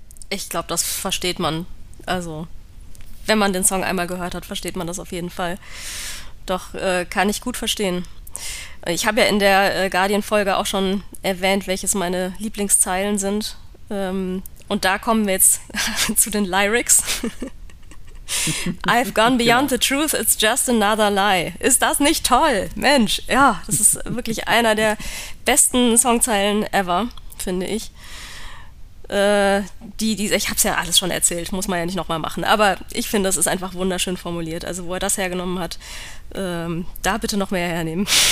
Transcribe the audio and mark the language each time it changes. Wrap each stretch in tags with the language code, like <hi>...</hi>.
<de>Ich glaube, das versteht man. Also, wenn man den Song einmal gehört hat, versteht man das auf jeden Fall. Doch, kann ich gut verstehen. Ich habe ja in der Guardian-Folge auch schon erwähnt, welches meine Lieblingszeilen sind. Und da kommen wir jetzt zu den Lyrics.</de> <en>I've gone beyond genau. The truth, it's just another lie.</en> <de>Ist das nicht toll? Mensch, ja, das ist wirklich einer der besten Songzeilen ever, finde ich. Ich habe es ja alles schon erzählt, muss man ja nicht nochmal machen. Aber ich finde, es ist einfach wunderschön formuliert. Also wo er das hergenommen hat, da bitte noch mehr hernehmen.</de>